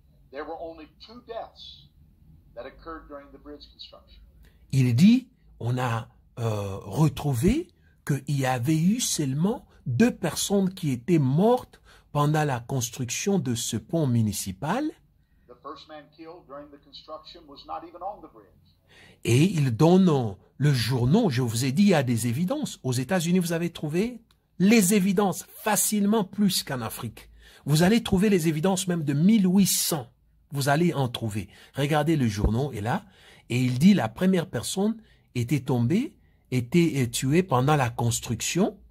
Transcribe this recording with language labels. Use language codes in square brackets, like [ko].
[en] There were only two deaths that occurred during the bridge construction. [fr] Il dit, on a retrouvé qu'il y avait eu seulement deux personnes qui étaient mortes pendant la construction de ce pont municipal. [en] The first man killed during the construction was not even on the bridge. [fr] Et il donne le journal, je vous ai dit, il y a des évidences. Aux États-Unis, vous avez trouvé les évidences facilement plus qu'en Afrique. Vous allez trouver les évidences même de 1800. Vous allez en trouver. Regardez le journal, et là. Et il dit la première personne était tombée, était tuée pendant la construction.